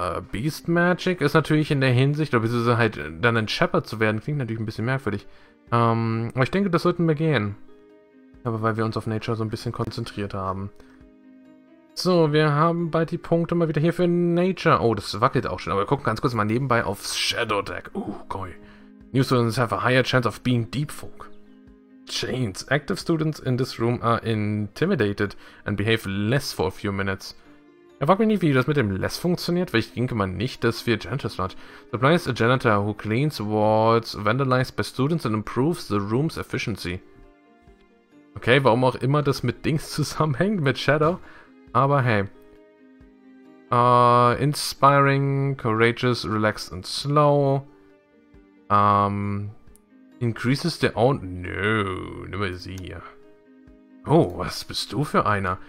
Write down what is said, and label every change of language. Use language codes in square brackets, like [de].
[de] Beast Magic ist natürlich in der Hinsicht, oder beziehungsweise halt dann ein Shepherd zu werden, klingt natürlich ein bisschen merkwürdig. Aber ich denke, das sollten wir gehen. Aber weil wir uns auf Nature so ein bisschen konzentriert haben. So, wir haben bald die Punkte mal wieder hier für Nature. Oh, das wackelt auch schon. Aber wir gucken ganz kurz mal nebenbei aufs Shadow Deck. [en] Goi. New students have a higher chance of being Deep Folk. Chains. Active students in this room are intimidated and behave less for a few minutes. [de] Er fragt mich nicht, wie das mit dem Less funktioniert, weil ich denke mal nicht, dass wir Janitor sind. [en] Supply is a janitor who cleans wards vandalized by students and improves the room's efficiency. [de] Okay, warum auch immer das mit Dings zusammenhängt, mit Shadow. Aber hey. [en] Inspiring, courageous, relaxed and slow. Increases the own. [de] Nö, nimm mal sie hier. Oh, was bist du für einer?